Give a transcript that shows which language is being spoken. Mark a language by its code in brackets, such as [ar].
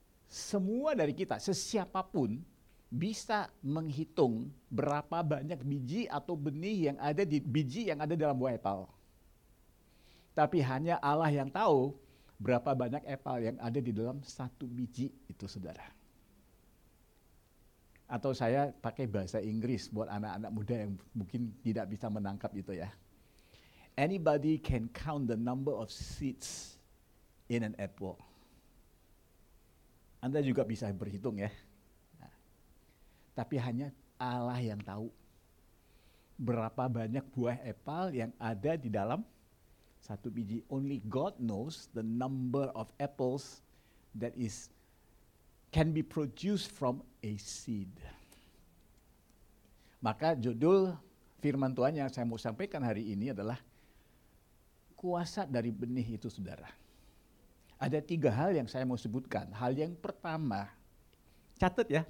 [id] Semua dari kita, sesiapapun bisa menghitung berapa banyak biji atau benih yang ada di biji yang ada dalam buah apel. Tapi hanya Allah yang tahu berapa banyak apel yang ada di dalam satu biji itu, saudara. Atau saya pakai bahasa Inggris buat anak-anak muda yang mungkin tidak bisa menangkap itu ya. [en] Anybody can count the number of seeds in an apple. [id] Anda juga bisa berhitung ya. Nah, tapi hanya Allah yang tahu berapa banyak buah apel yang ada di dalam satu biji. [en] Only God knows the number of apples that is can be produced from a seed. [id] Maka judul firman Tuhan yang saya mau sampaikan hari ini adalah kuasa dari benih itu, saudara. Ada tiga hal yang saya mau sebutkan. Hal yang pertama, catat.